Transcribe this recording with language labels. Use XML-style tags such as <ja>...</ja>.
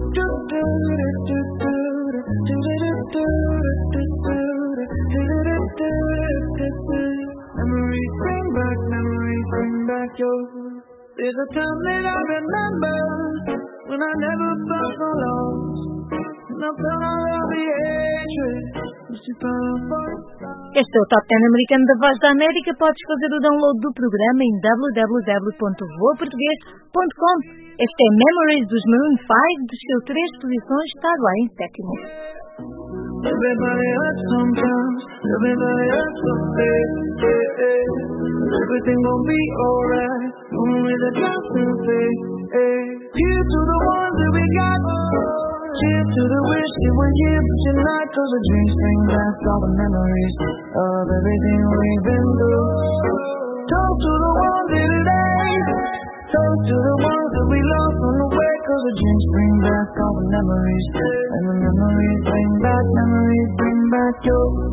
<en>Memories bring back, memories bring back your. There's a time that I remember when I never felt so lost. And I felt all of the hatred, but she found a voice.</en> <pt>Este é o Top 10 americano da Voz da América. Podes fazer o download do programa em www.voaportugues.com. Este é Memories dos Maroon 5, dos seus 3 posições, está lá em 7º.</pt> <en>Cheers to the wish that we're here for tonight, 'cause the dreams bring back all the memories of everything we've been through. Talk to the ones here today, talk to the ones that we lost on the way, 'cause the dreams bring back all the memories, and the memories bring back, memories bring back your.</en>